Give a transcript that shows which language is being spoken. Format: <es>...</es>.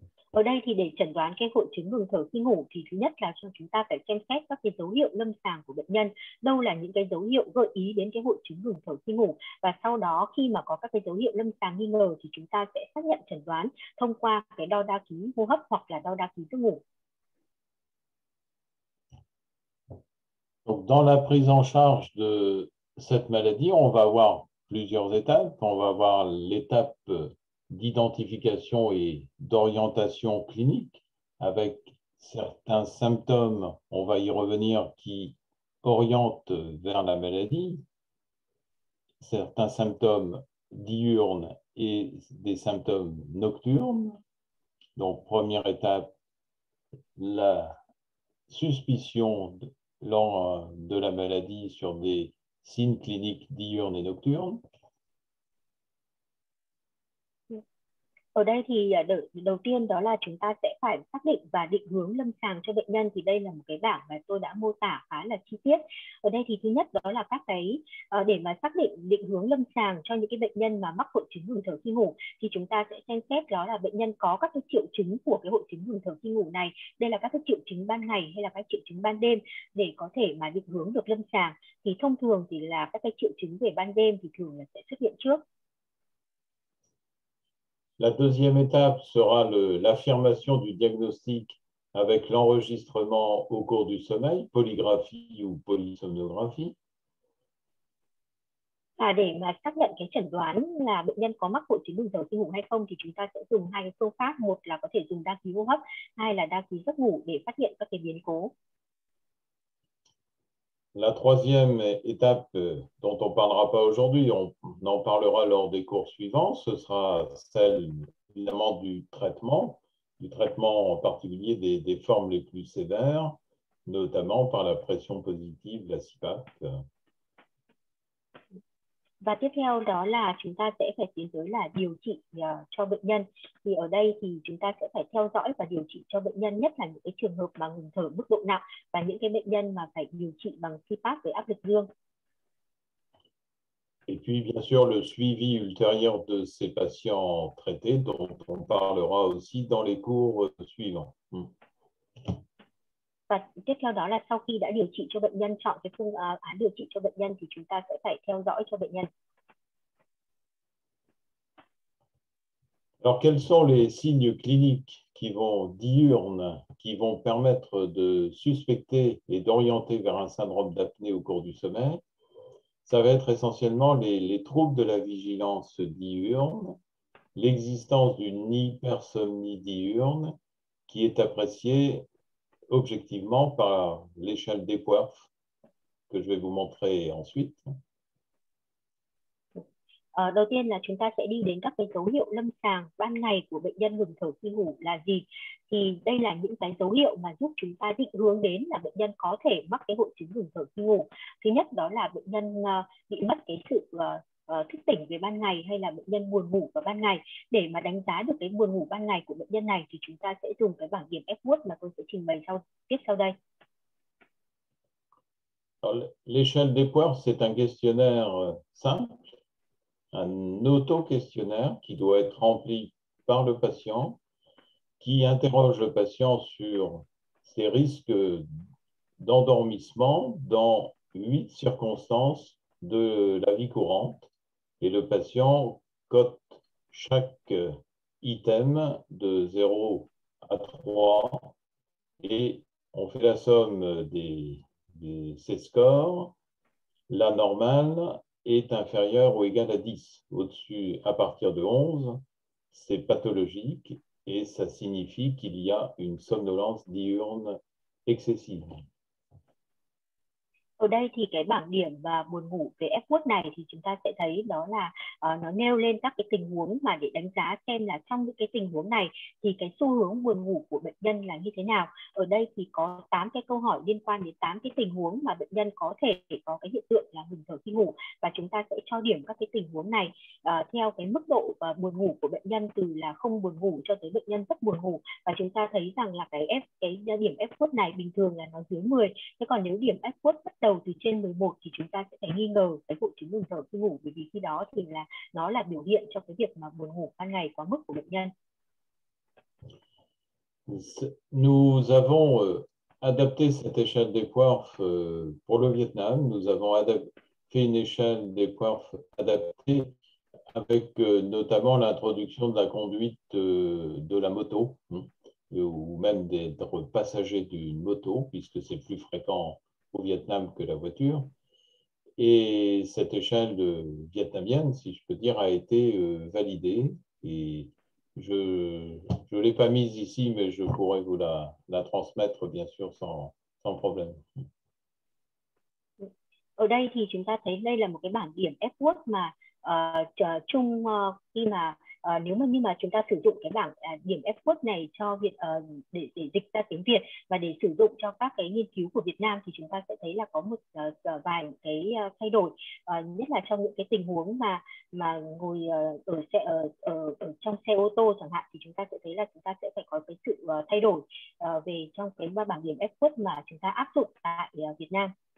<vi>Ở đây thì để chẩn đoán cái hội chứng ngừng thở khi ngủ thì thứ nhất là chúng ta phải xem xét các cái dấu hiệu lâm sàng của bệnh nhân, đâu là những cái dấu hiệu gợi ý đến cái hội chứng ngừng thở khi ngủ, và sau đó khi mà có các cái dấu hiệu lâm sàng nghi ngờ thì chúng ta sẽ xác nhận chẩn đoán thông qua cái đo đa ký hô hấp hoặc là đo đa ký giấc ngủ.</vi> <fr>Donc dans la prise en charge de cette maladie, on va avoir plusieurs étapes. On va avoir l'étape d'identification et d'orientation clinique avec certains symptômes, on va y revenir, qui orientent vers la maladie. Certains symptômes diurnes et des symptômes nocturnes. Donc première étape, la suspicion de la maladie sur des signes cliniques diurnes et nocturnes.</fr> <vi>Ở đây thì đầu tiên đó là chúng ta sẽ phải xác định và định hướng lâm sàng cho bệnh nhân, thì đây là một cái bảng mà tôi đã mô tả khá là chi tiết. Ở đây thì thứ nhất đó là các cái để mà xác định hướng lâm sàng cho những cái bệnh nhân mà mắc hội chứng ngừng thở khi ngủ thì chúng ta sẽ xem xét đó là bệnh nhân có các cái triệu chứng của cái hội chứng ngừng thở khi ngủ này, đây là các cái triệu chứng ban ngày hay là các triệu chứng ban đêm, để có thể mà định hướng được lâm sàng. Thì thông thường thì là các cái triệu chứng về ban đêm thì thường là sẽ xuất hiện trước.</vi> <fr>La deuxième étape sera l'affirmation du diagnostic avec l'enregistrement au cours du sommeil, polygraphie ou polysomnographie.</fr> <vi>À, để mà xác nhận cái chẩn đoán là bệnh nhân có mắc hội chứng ngừng thở khi ngủ hay không thì chúng ta sẽ dùng hai cái phương pháp, một là có thể dùng đa ký hô hấp, hai là đa ký giấc ngủ để phát hiện các cái biến cố.</vi> <fr>La troisième étape dont on ne parlera pas aujourd'hui, on en parlera lors des cours suivants, ce sera celle évidemment du traitement en particulier des formes les plus sévères, notamment par la pression positive, la CPAP.</fr> <vi>Và tiếp theo đó là chúng ta sẽ phải tiến tới là điều trị cho bệnh nhân. Thì ở đây thì chúng ta sẽ phải theo dõi và điều trị cho bệnh nhân, nhất là những cái trường hợp mà ngừng thở mức độ nặng và những cái bệnh nhân mà phải điều trị bằng CPAP với áp lực dương.</vi> <fr>Et puis bien sûr le suivi ultérieur de ces patients traités dont on parlera aussi dans les cours suivants.</fr> <vi>Và tiếp theo đó là sau khi đã điều trị cho bệnh nhân, chọn cái phương án điều trị cho bệnh nhân thì chúng ta sẽ phải theo dõi cho bệnh nhân.</vi> <fr>Alors quels sont les signes cliniques qui vont diurnes qui vont permettre de suspecter et d'orienter vers un syndrome d'apnée au cours du sommeil? Ça va être essentiellement les troubles de la vigilance diurne, l'existence d'une hypersomnie diurne qui est appréciée objectivement par l'échelle des Poirf que je vais vous montrer ensuite.</fr> <vi>Đầu tiên là chúng ta sẽ đi đến các cái dấu hiệu lâm sàng ban ngày của bệnh nhân ngừng thở khi ngủ là gì. Thì đây là những cái dấu hiệu mà giúp chúng ta định hướng đến là bệnh nhân có thể mắc cái hội chứng ngừng thở khi ngủ. Thứ nhất đó là bệnh nhân bị mất cái sự thức tỉnh về ban ngày hay là bệnh nhân buồn ngủ vào ban ngày. Để mà đánh giá được cái buồn ngủ ban ngày của bệnh nhân này thì chúng ta sẽ dùng cái bảng điểm Epworth mà tôi sẽ trình bày tiếp sau đây.</vi> <fr>L'échelle d'Epworth, c'est un questionnaire simple, un auto-questionnaire qui doit être rempli par le patient, qui interroge le patient sur ses risques d'endormissement dans 8 circonstances de la vie courante, et le patient cote chaque item de 0 à 3 et on fait la somme de ses scores. La normale est inférieure ou égale à 10. Au-dessus, à partir de 11, c'est pathologique et ça signifie qu'il y a une somnolence diurne excessive.</fr> <vi>Ở đây thì cái bảng điểm và buồn ngủ về Epworth này thì chúng ta sẽ thấy đó là nó nêu lên các cái tình huống mà để đánh giá xem là trong những cái tình huống này thì cái xu hướng buồn ngủ của bệnh nhân là như thế nào. Ở đây thì có 8 cái câu hỏi liên quan đến 8 cái tình huống mà bệnh nhân có thể có cái hiện tượng là ngừng thở khi ngủ, và chúng ta sẽ cho điểm các cái tình huống này theo cái mức độ buồn ngủ của bệnh nhân, từ là không buồn ngủ cho tới bệnh nhân rất buồn ngủ. Và chúng ta thấy rằng là cái điểm Epworth này bình thường là nó dưới 10, thế còn nếu điểm Epworth bắt đầu từ trên 11 thì chúng ta sẽ phải nghi ngờ cái hội chứng ngừng thở khi ngủ, bởi vì khi đó thì là nó là biểu hiện cho cái việc mà buồn ngủ ban ngày quá mức của bệnh nhân.</vi> <fr>Nous avons adapté cette échelle des Quarf pour le Vietnam. Nous avons fait une échelle des Quarf adaptée avec notamment l'introduction de la conduite de la moto ou même d'être passager d'une moto, puisque c'est plus fréquent au Vietnam que la voiture. Et cette échelle vietnamienne, si je peux dire, a été validée. Et je ne l'ai pas mise ici, mais je pourrais vous la transmettre, bien sûr, sans problème.</fr> <vi>Ở đây thì chúng ta thấy đây là một cái bảng điểm Epworth mà chung khi mà nếu mà như mà chúng ta sử dụng cái bảng điểm Epworth này cho việc để dịch ra tiếng Việt và để sử dụng cho các cái nghiên cứu của Việt Nam thì chúng ta sẽ thấy là có một vài cái thay đổi, nhất là trong những cái tình huống mà ngồi ở trong xe ô tô chẳng hạn, thì chúng ta sẽ thấy là chúng ta sẽ phải có cái sự thay đổi về trong cái bảng điểm Epworth mà chúng ta áp dụng tại Việt Nam.</vi>